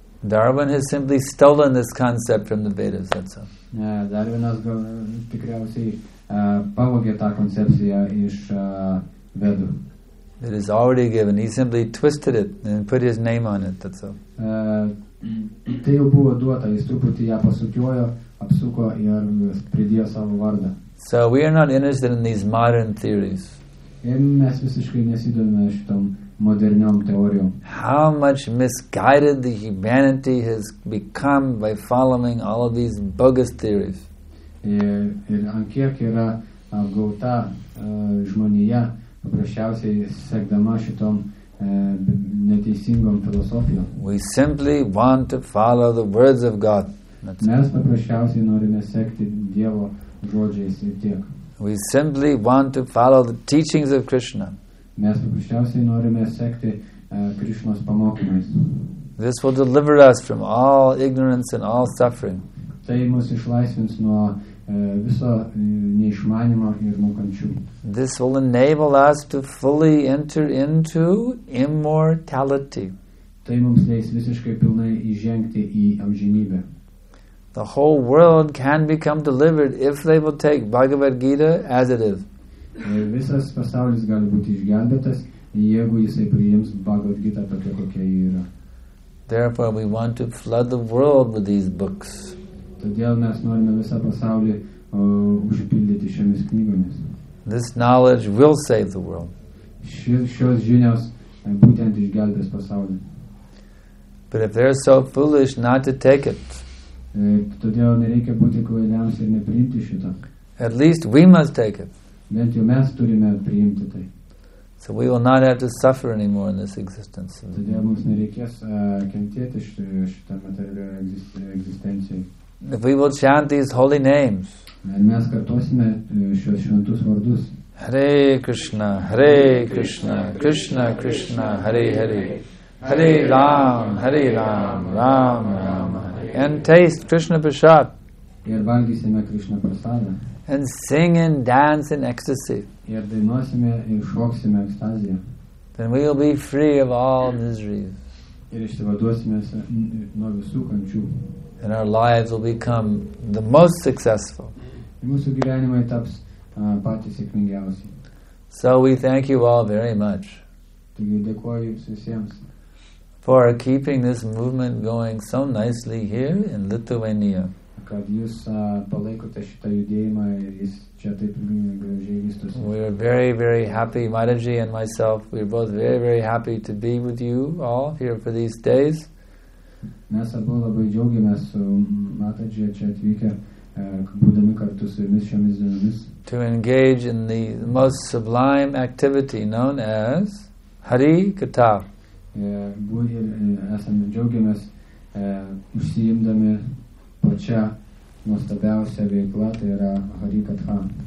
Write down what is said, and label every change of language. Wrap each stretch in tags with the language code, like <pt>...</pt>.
<en>Darwin has simply stolen this concept from the Vedas, that's all.</en> <lt>Darwinas tikriausiai pavogė tą koncepciją iš Vedų.</lt> <en>It is already given. He simply twisted it and put his name on it, that's all.</en> <lt>Tai jau buvo duota. Jis truputį ją pasukiojo, apsuko ir pridėjo savo vardą.</lt> <en>So we are not interested in these modern theories.</en> <lt>Ir mes visiškai nesidomėme šitom moderniom teorijom.</lt> <en>How much misguided the humanity has become by following all of these bogus theories.</en> <lt>Ir an kiek yra apgauta žmonija paprasčiausiai sekdama šitom neteisingom filosofijom.</lt> <en>We simply want to follow the words of God.</en> <lt>Mes paprasčiausiai norime sekti Dievo žodžiais ir tiek.</lt> <en>We simply want to follow the teachings of Krishna.</en> <lt>Mes paprasčiausiai norime sekti Krishnos pamokymais.</lt> <en>This will deliver us from all ignorance and all suffering.</en> <lt>Tai mus išlaisvins nuo viso neišmanimo ir nuo kančių.</lt> <en>This will enable us to fully enter into immortality.</en> <lt>Tai mums leis visiškai pilnai įžengti į amžinybę.</lt> <en>The whole world can become delivered if they will take Bhagavad Gita as it is.</en> <lt>Visas pasaulis gali būti išgelbėtas, jeigu jisai priims Bhagavad Gita tokia, kokia ji yra.</lt> <en>Therefore we want to flood the world with these books.</en> <lt>Todėl mes norime visą pasaulį užpildyti šiomis knygomis.</lt> <en>This knowledge will save the world.</en> <lt>Šios žinios būtent išgelbės pasaulį.</lt> <en>But if they're so foolish not to take it.</en> <lt>Todėl nereikia būti kvailiams ir nepriimti šito.</lt> <en>At least we must take it.</en> <lt>Bent jau mes turime priimti tai.</lt> <en>So we will not have to suffer anymore in this existence.</en> <lt>Todėl mums nereikės kentėti šitą materialią egzistenciją.</lt> <en>If we will chant these holy names.</en> <lt>Mes kartosime šios šventus vardus.</lt> <sa>Hare Krishna, Hare Krishna, Krishna Krishna, Hare Hare. Hare Ram, Hare Ram, Ram Ram.</sa> <en>And taste Krishna Prasad.</en> <lt>Ir valgysime Krishna Prasadą.</lt> <en>And sing and dance in ecstasy.</en> <lt>Ir dainuosime ir šoksime ekstaziją.</lt> <en>Then we will be free of all miseries.</en> <lt>Ir išsivaduosime nuo visų kančių.</lt> <en>And our lives will become the most successful.</en> <lt>Mūsų gyvenimai taps patys sėkmingiausi.</lt> <en>So we thank you all very much.</en> <lt>Taigi dėkuoju jums visiems.</lt> <en>For keeping this movement going so nicely here in Lithuania.</en> <lt>Kad jūs palaikote šitą judėjimą ir jis čia taip gražiai vystosi.</lt> <en>We are very, very happy, Maharaji and myself. We are both very, very happy to be with you all here for these days.</en> <lt>Mes abu labai džiaugiamės su Mataji čia atvykę, būdami kartu su jumis šiomis dienomis.</lt> <en>To engage in the most sublime activity known as Hari Katha.</en> <lt>Esame džiaugiamės užsiimdami pačią nuostabiausią veiklą, tai yra Hari Katha.</lt>